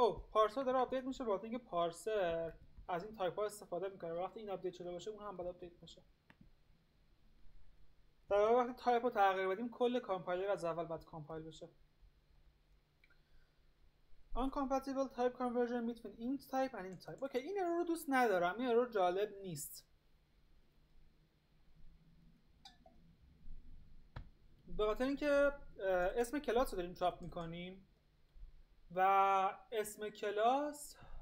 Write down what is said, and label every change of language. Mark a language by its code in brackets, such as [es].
[fa] پارسر داره آپدیت میشه، باید اینکه پارسر از این تایپ ها استفاده میکنه. وقتی این آپدیت شده باشه اون هم باید آپدیت میشه. در واقع وقتی تایپ رو تغییر بدیم کل کامپایلر از اول باید کامپایل بشه. [en] Uncompatible type conversion between int type and int type. [fa] اوکی این ارور رو دوست ندارم، این ارور جالب نیست. به خاطر اینکه اسم کلاس رو داریم چاپ میکنیم و اسم کلاس